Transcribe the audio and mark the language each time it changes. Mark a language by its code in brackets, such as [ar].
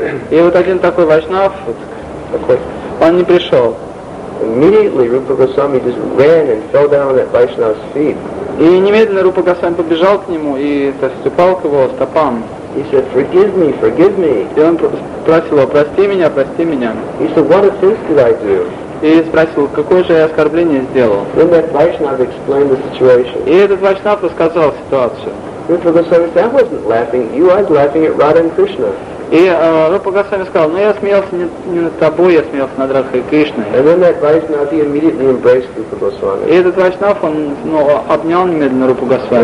[ru] И вот один такой вайшнав, он не пришел. [en] Immediately Rupa Goswami just ran and fell down at Vaishnava's feet. [ru] И немедленно Рупа Госвами побежал к нему и упал к его стопам. [en] He said, "Forgive me, forgive me." [ru] И он спросил его, "Прости меня, прости меня." [en] He said, "What offense did I do?" [ru] И спросил, какое же я оскорбление сделал. [en] Then that Vaishnav explained the situation. [ru] И этот Вайшнав рассказал ситуацию. [en] Rupa Goswami said, "I wasn't laughing. You are laughing at Radha and Krishna." [ru] И Рупа Госвами сказал, ну я смеялся не над тобой, я смеялся над Радхой Кришной. [en] And then that Vaishnav, he immediately embraced Rupa Goswami. [ru] И этот Вайшнав, он обнял немедленно Рупа Госвами.